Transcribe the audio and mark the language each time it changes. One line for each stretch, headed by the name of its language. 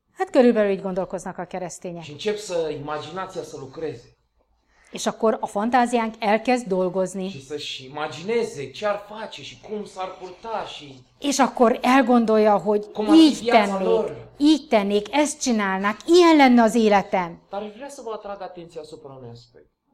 Hungarian: Hát körülbelül így gondolkoznak a keresztények.
Romanian: Și încep să imaginația să lucreze.
Hungarian: És akkor a fantáziánk elkezd dolgozni.
Romanian: Și să-și imagineze ce ar face și cum s-ar purta și...
Hungarian: És akkor elgondolja, hogy így tennék, így tennék, ezt csinálnák, ilyen lenne az életem.
Romanian: Dar vrea să vă atrag atenția asupra unui aspect.